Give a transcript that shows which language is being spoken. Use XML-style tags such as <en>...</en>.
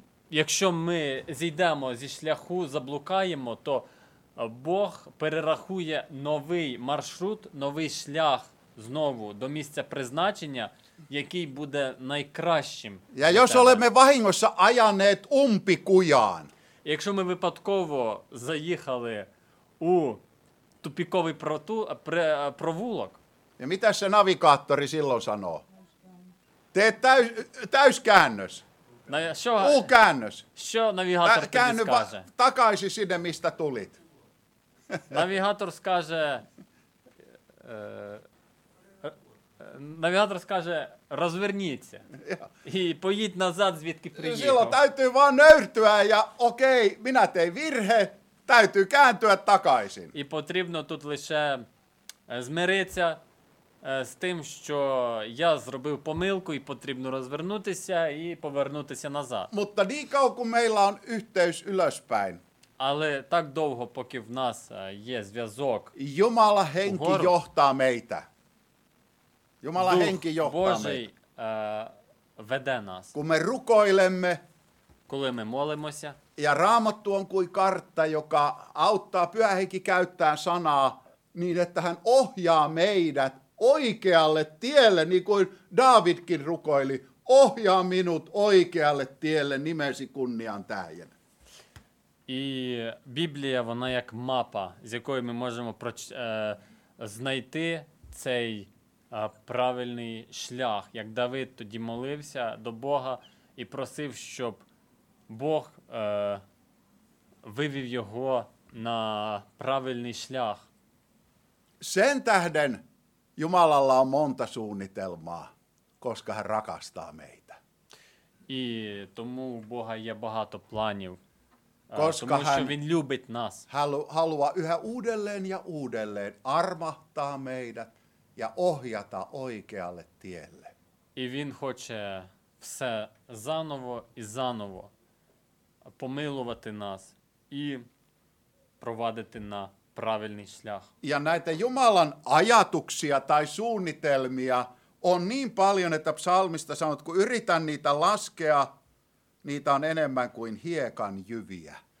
<uk>Якщо ми зійдемо зі шляху, заблукаємо, то Бог перерахує новий маршрут, новий шлях знову до місця призначення, який буде найкращим.</uk> <fi>Ja jos olemme vahingossa ajaneet umpikujaan.</fi> <uk>Якщо ми випадково заїхали у тупиковий провулок.</uk> <fi>Ja mitä se navigaattori silloin sanoo? Tee täyskäännös. U-käännös.</fi> <uk>Що навігатор тобі скаже?</uk> <fi>Takaisin sinne, mistä tulit.</fi> <uk>Навігатор скаже... Навігатор скаже, розверніться. І поїдь назад, звідки приїхав.</uk> <fi>Silloin täytyy vaan nöyrtyä ja okei, minä tein virhe, täytyy kääntyä takaisin.</fi> <uk>І потрібно тут лише змиритися з тим, що я зробив помилку і потрібно розвернутися і повернутися назад.</uk> <fi>Mutta niin kauan kuin meillä on yhteys ylöspäin.</fi> <uk>Але так довго, поки в нас є зв'язок.</uk> <fi>Jumala henki вгору. Johtaa meitä. Jumala Дух henki johtaa</fi> <uk>Божий,</uk> <fi>meitä.</fi> <uk>Веде нас.</uk> <fi>Kun me rukoilemme.</fi> <uk>Коли ми молимося.</uk> <fi>Ja Raamattu on kuin kartta, joka auttaa Pyhä Henki käyttää sanaa niin, että hän ohjaa meidät oikealle tielle, niin kuin Daavidkin rukoili, ohjaa minut oikealle tielle nimesi kunnian tähden.</fi> <uk>І Біблія, вона як мапа, з якою ми можемо знайти цей правильний шлях. Як Давид тоді молився до Бога і просив, щоб Бог вивів його на правильний шлях.</uk> <fi>Sen tähden Jumalalla on monta suunnitelmaa, koska hän rakastaa meitä.</fi> <uk>І тому у Бога є багато планів. Koska тому, що він любить нас.</uk> <fi>Haluaa yhä uudelleen ja uudelleen armahtaa meidät ja ohjata oikealle tielle.</fi> <uk>І він хоче все заново і заново помилувати нас і провадити на правильний шлях.</uk> <fi>Ja näitä Jumalan ajatuksia tai suunnitelmia on niin paljon, että psalmista sanot, kun yritän niitä laskea, niitä on enemmän kuin hiekan jyviä.</fi>